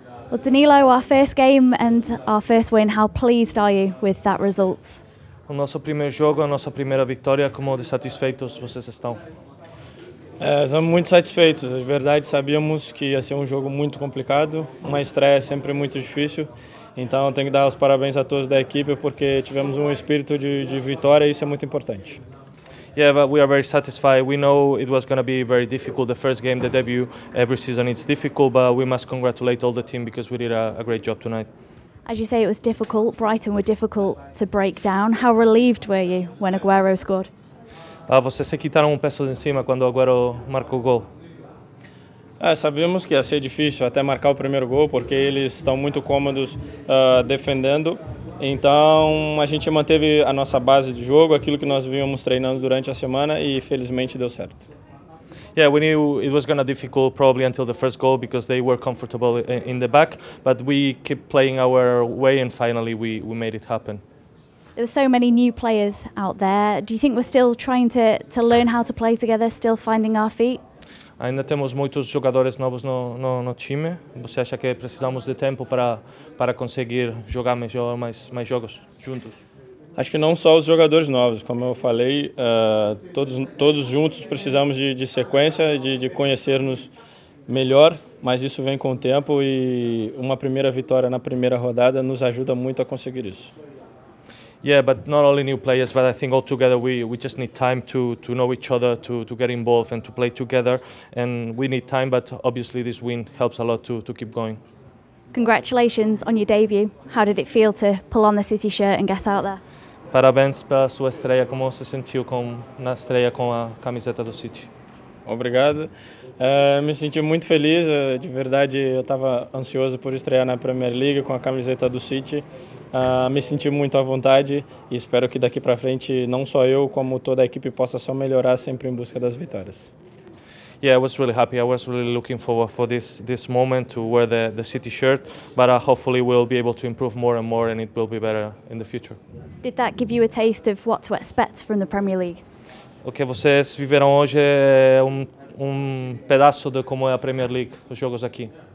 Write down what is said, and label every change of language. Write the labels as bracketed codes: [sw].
[en] Well, Danilo, our first game and our first win, how pleased are you with that result? [pt] O nosso primeiro jogo, a nossa primeira vitória, como de satisfeitos vocês estão? Estamos muito satisfeitos. Na verdade, sabíamos que ia ser um jogo muito complicado. Uma estreia é sempre muito difícil. Então, tenho que dar os parabéns a todos da equipe, porque tivemos espírito de vitória e isso é muito importante. [en] Yeah, but we are very satisfied. We know it was going to be very difficult, the first game, the debut. Every season it's difficult, but we must congratulate all the team because we did a great job tonight. As you say, it was difficult. Brighton were difficult to break down. How relieved were you when Aguero scored? [pt] Vocês se quitaram peso de cima quando Aguero marcou o gol? Sabemos que ia ser difícil até marcar o primeiro gol, porque eles estão muito cômodos defendendo. Então, a gente manteve a nossa base de jogo, aquilo que nós vínhamos treinando durante a semana e felizmente deu certo. [en] Yeah, we knew it was going to be difficult probably until the first goal because they were comfortable in the back, but we keep playing our way and finally we made it happen. There were so many new players out there. Do you think we're still trying to learn how to play together, still finding our feet? [pt] Ainda temos muitos jogadores novos no time. Você acha que precisamos de tempo para conseguir jogar melhor, mais jogos juntos? Acho que não só os jogadores novos, como eu falei, todos juntos precisamos de sequência, de conhecermos melhor, mas isso vem com o tempo e uma primeira vitória na primeira rodada nos ajuda muito a conseguir isso. [en] Yeah, but not only new players, but I think all together we just need time to know each other, to get involved and to play together. And we need time, but obviously this win helps a lot to keep going. Congratulations on your debut. How did it feel to pull on the City shirt and get out there? [pt] Parabéns pela sua estreia. Como se sentiu na estreia com a camiseta do City? Obrigado. Me senti muito feliz. De verdade, eu estava ansioso por estrear na Premier League com a camiseta do City. Me senti muito à vontade e espero que daqui para frente não só eu como toda a equipe possa só melhorar sempre em busca das vitórias. [en] Yeah, I was really happy. I was really looking forward for this moment to wear the City shirt, but hopefully we'll be able to improve more and more, and it will be better in the future. Did that give you a taste of what to expect from the Premier League? [pt] Okay, vocês viveram hoje um pedaço de como é a Premier League, os jogos aqui.